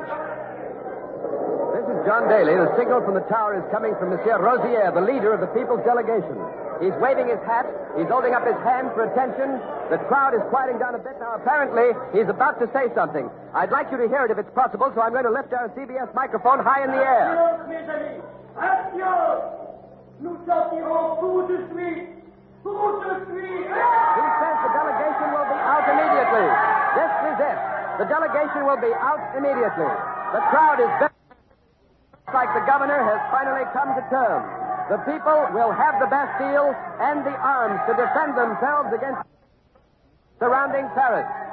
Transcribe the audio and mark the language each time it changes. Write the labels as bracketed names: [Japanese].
[English] This is John Daly. The signal from the tower is coming from Monsieur Rosier, the leader of the people's delegation. He's waving his hat. He's holding up his hand for attention. The crowd is quieting down a bit now. Apparently, he's about to say something. I'd like you to hear it if it's possible, so I'm going to lift our CBS microphone high in the air. [French] Adios, mes amis. Adios. Nous sortirons tout de suite. [English] He says the delegation will be out immediately. This is it. The delegation will be out immediately. The crowd is very... Looks like the governor has finally come to terms. The people will have the Bastille and the arms to defend themselves against surrounding Paris.